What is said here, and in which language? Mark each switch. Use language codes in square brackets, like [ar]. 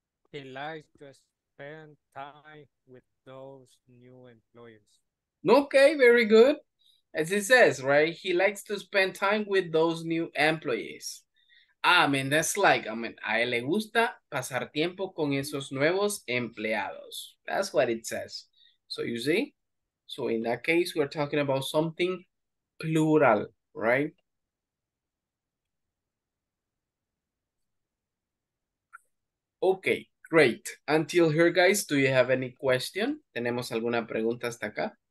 [en] He likes to spend time with those new employees. Okay, very good. As it says, right? He likes to spend time with those new employees. [es] A él le gusta pasar tiempo con esos nuevos empleados. [en] That's what it says. So you see? So in that case, we're talking about something plural, right? Okay. Great. Until here, guys, do you have any question? [es] ¿Tenemos alguna pregunta hasta acá?